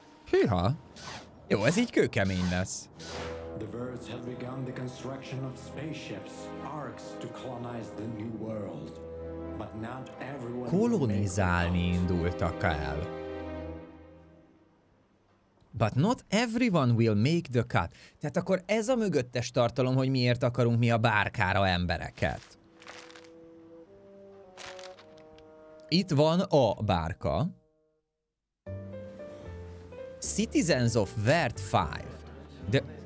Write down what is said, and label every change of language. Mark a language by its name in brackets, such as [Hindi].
[Hungarian] Hűha. Jó, ez így kőkemény lesz. [English] The birds have begun the construction of spaceships, arcs to colonize the new world. But not everyone. [Hungarian] Kolonizálni indultak el. [English] But not everyone will make the cut. [Hungarian] Tehát akkor ez a mögöttes tartalom, hogy miért akarunk mi a bárkára embereket. Itt van a bárka. [English] Citizens of Vert 5. De...